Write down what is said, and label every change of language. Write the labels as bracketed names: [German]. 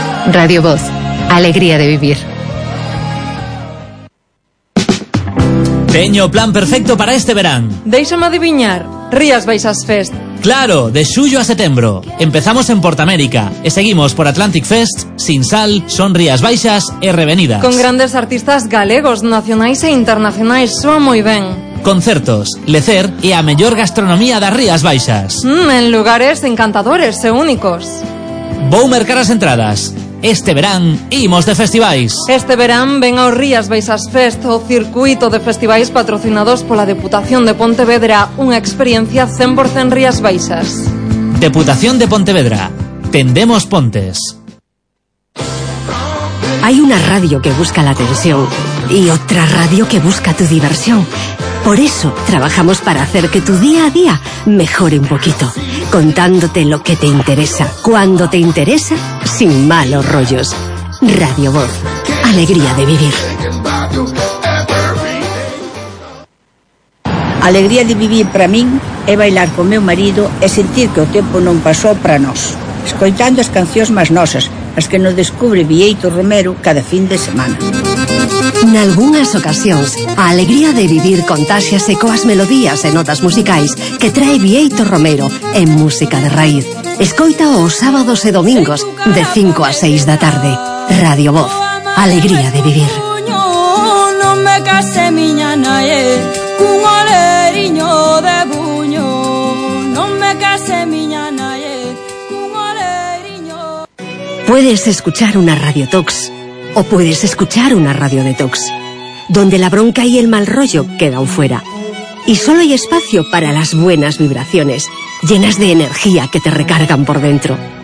[Spanish] Radio Voz, alegría de vivir. [Galician] Teño o plan perfecto para este verán. Deixame adivinar, Rías Baixas Fest. Claro, de xullo a setembro. Empezamos en Portamérica e seguimos por Atlantic Fest, Sin Sal, Son Rías Baixas e Revenidas. Con grandes artistas galegos, nacionais e internacionais, soa moi ben. Concertos, lecer e a mellor gastronomía das Rías Baixas. En lugares encantadores e únicos. Vou mercar as entradas. Este verán, imos de festivais. Este verán, ven ao Rías Baixas Fest, o circuito de festivais patrocinados pola Deputación de Pontevedra, unha experiencia 100% Rías Baixas. Deputación de Pontevedra, tendemos pontes. Hai unha radio que busca [Spanish] la tensión [Galician] e outra radio que busca [Spanish] tu diversión. Por eso trabajamos para hacer que tu día a día mejore un poquito, contándote lo que te interesa, cuando te interesa, sin malos rollos. Radio Voz, alegría de vivir. [Galician] Alegría de vivir para mí é bailar con meu marido e sentir que o tempo non pasou para nós, escoitando as cancións máis nosas, as que nos descubre Vieito Romero cada fin de semana. Nalgúnas ocasións, a alegría de vivir contáxase coas melodías e notas musicais que trae Vieito Romero en Música de Raíz. Escoita os sábados e domingos de 5 a 6 da tarde. [Spanish] Radio Voz, alegría de vivir. [Galician] Non me case miña nai cun oleriño de buño. Non me case miña nai cun oleriño. [Spanish] Puedes escuchar una Radio Tox o puedes escuchar una Radio Detox, donde la bronca y el mal rollo quedan fuera. Y solo hay espacio para las buenas vibraciones, llenas de energía que te recargan por dentro.